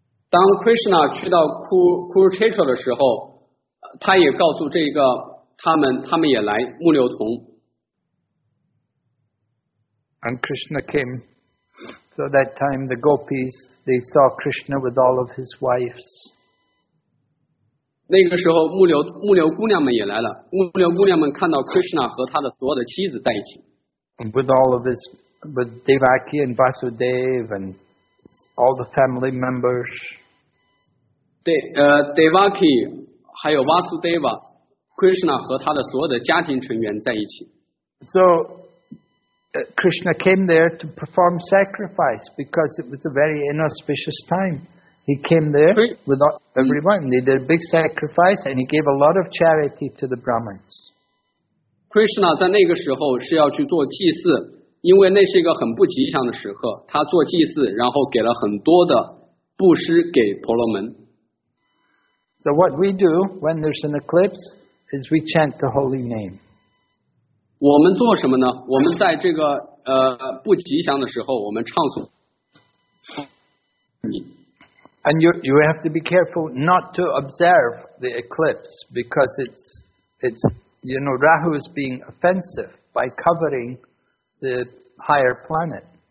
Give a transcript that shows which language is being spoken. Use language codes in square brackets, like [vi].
[zh] 当 Krishna 去到 Kurukshetra 的时候，他也告诉这个他们也来牧牛童。 [en] And Krishna came. So that time the gopis, they saw Krishna with all of his wives. [zh] 那个时候牧牛姑娘们也来了，牧牛姑娘们看到 Krishna 和他的所有的妻子在一起。 [en] With all of his, with Devaki and Vasudev and all the family members. [zh] Devaki 还有 Vasudeva, Krishna 和他的所有的家庭成员在一起。 [en] So,Krishna came there to perform sacrifice because it was a very inauspicious time. He came there with everyone. They did a big sacrifice and he gave a lot of charity to the Brahmins. [zh] Krishna 在那个时候是要去做祭祀，因为那是一个很不吉祥的时刻。他做祭祀，然后给了很多的布施给婆罗门。 [en] So what we do when there's an eclipse is we chant the holy name. [zh] 我们做什么呢？我们在这个不吉祥的时候，我们唱诵。 [en] And you have to be careful not to observe the eclipse because it's you know Rahu is being offensive by covering the higher planet.